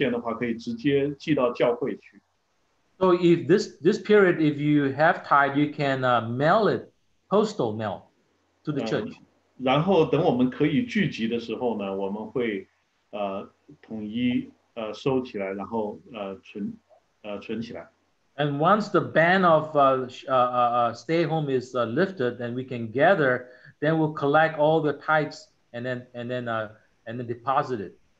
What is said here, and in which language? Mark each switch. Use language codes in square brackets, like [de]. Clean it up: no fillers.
[zh] 那这段时间呢，如果弟兄姐妹愿意有奉献的话，可以直接寄到教会去。 [en] So if this period, if you have tithe, you can mail it, postal mail to the church. [zh] 然后等我们可以聚集的时候呢，我们会统一收起来，然后存起来。 [en] And once the ban of stay home is lifted, then we can gather. Then we'll collect all the tithes and then deposit it.